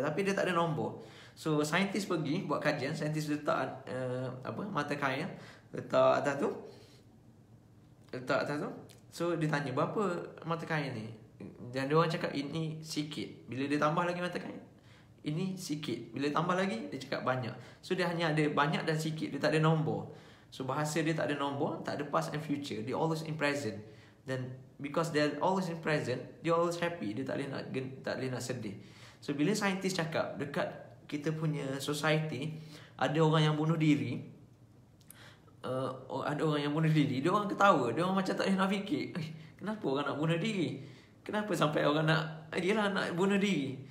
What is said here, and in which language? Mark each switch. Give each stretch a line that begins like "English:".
Malay: Tapi dia tak ada nombor. So saintis pergi buat kajian. Saintis letak apa, mata kain. Letak atas tu. Letak atas tu. So dia tanya, berapa mata kain ni? Dan dia orang cakap ini sikit. Bila dia tambah lagi mata kain, ini sikit. Bila tambah lagi, dia cakap banyak. So dia hanya ada banyak dan sikit. Dia tak ada nombor. So bahasa dia tak ada nombor, tak ada
English: past and future. They always in present. Then because they're always in present, they always happy.
Malay: Dia tak boleh nak sedih. So bila saintis cakap dekat kita punya society ada orang yang bunuh diri, ada orang yang bunuh diri, dia orang ketawa. Dia orang macam tak boleh nak fikir, kenapa orang nak bunuh diri? Kenapa sampai orang nak, yelah, nak bunuh diri?